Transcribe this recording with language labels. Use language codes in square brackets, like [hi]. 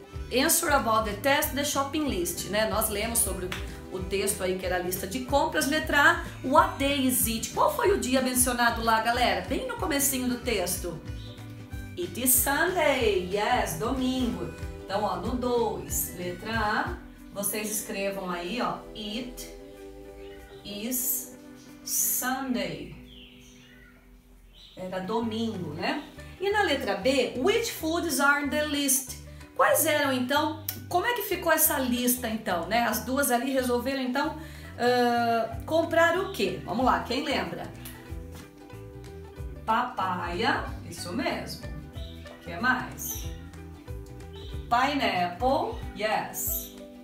[en] Answer about the test, the shopping list, [pt] né? Nós lemos sobre o texto aí, que era a lista de compras. Letra A, [en] what day is it? [pt] Qual foi o dia mencionado lá, galera? Bem no comecinho do texto. [en] It is Sunday, yes, [pt] domingo. Então, ó, no 2, letra A, vocês escrevam aí, ó, [en] it is Sunday. [pt] Era domingo, né? E na letra B, [en] which foods are on the list? [pt] Quais eram, então, como é que ficou essa lista, então, né? As duas ali resolveram, então, comprar o quê? Vamos lá, quem lembra? Papaya, isso mesmo. O que mais? Pineapple, [en] yes.